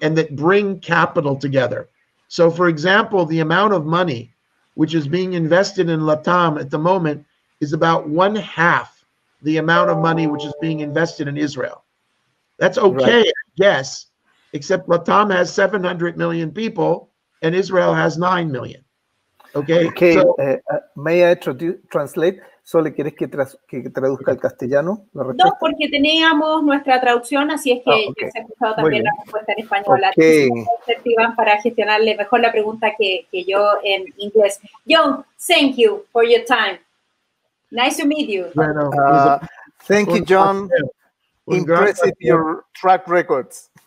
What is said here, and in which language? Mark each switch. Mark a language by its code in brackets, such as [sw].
[en] And that bring capital together. So, for example, the amount of money which is being invested in LATAM at the moment is about one half the amount of money which is being invested in Israel. That's okay, right? I guess, except LATAM has 700 million people and Israel has 9 million. Okay. Okay. May I translate? [es] Sole, ¿quieres que traduzca al castellano? No, porque teníamos nuestra traducción, así es que ya se ha escuchado también la respuesta en español. Okay. Iván, para gestionarle mejor la pregunta que yo en inglés. [en] John, thank you for your time. Nice to meet you. Thank you, John. Impressive your track records.